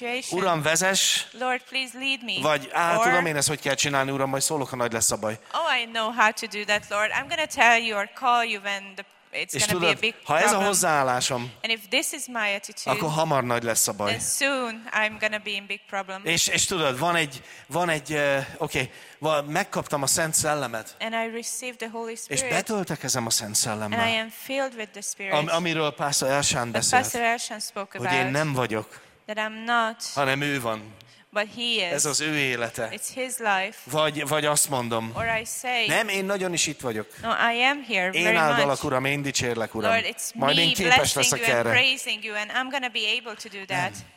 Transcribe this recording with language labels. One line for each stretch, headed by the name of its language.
Hungarian: Uram, vezess, vagy tudom én ezt, hogy kell csinálni, Uram, majd szólok, ha nagy lesz a baj.
English: Oh, I know how to do that, Lord. I'm going to tell you or call you when it's going to be a big problem.
Hungarian: Ha ez a hozzáállásom,
English: and if this is my attitude,
Hungarian: akkor hamar nagy lesz a baj.
English: Then soon I'm going to be in big problem.
Hungarian: És tudod, van egy, megkaptam a Szent Szellemet.
English: And I received the Holy Spirit.
Hungarian: És betöltekezem a Szent Szellemmel.
English: And I am filled with the Spirit.
Hungarian: Amiről Pastor Elshan beszélt.
English: But Pastor Elshan spoke about.
Hungarian: Hogy én nem vagyok.
English: That I'm not.
Hungarian: Hanem ő van.
English: But he is.
Hungarian: Ez az ő élete.
English: It's his life.
Hungarian: Vagy azt mondom.
English: Or I say,
Hungarian: nem, én nagyon is itt vagyok.
English: No, I am here.
Hungarian: Én áldalak, Uram, én dicsérlek, Uram.
English: Lord, it's me.
Hungarian: Majd én képes leszek erre.
English: Praising you, and I'm going to be able to do that.